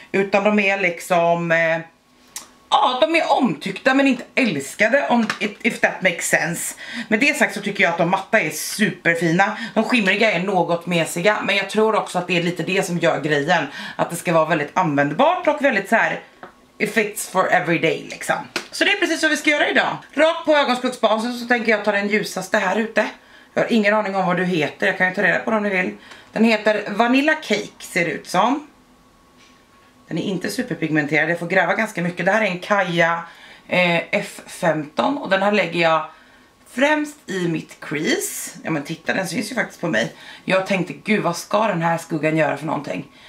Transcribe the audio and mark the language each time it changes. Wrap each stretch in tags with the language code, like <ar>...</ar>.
<sv>Utan de är liksom, ja de är omtyckta men inte älskade om,</sv> <en>if that makes sense.</en> <sv>Med det sagt så tycker jag att de matta är superfina. De skimriga är något mesiga men jag tror också att det är lite det som gör grejen. Att det ska vara väldigt användbart och väldigt så här.</sv> <en>It fits for every day</en> <sv>liksom. Så det är precis vad vi ska göra idag. Rakt på ögonskuggsbasen så tänker jag ta den ljusaste här ute. Jag har ingen aning om vad du heter, jag kan ju ta reda på det om ni vill. Den heter Vanilla Cake ser det ut som. Den är inte superpigmenterad, jag får gräva ganska mycket. Det här är en Kaja F15 och den här lägger jag främst i mitt crease. Ja men titta, den syns ju faktiskt på mig. Jag tänkte, gud vad ska den här skuggan göra för någonting?</sv>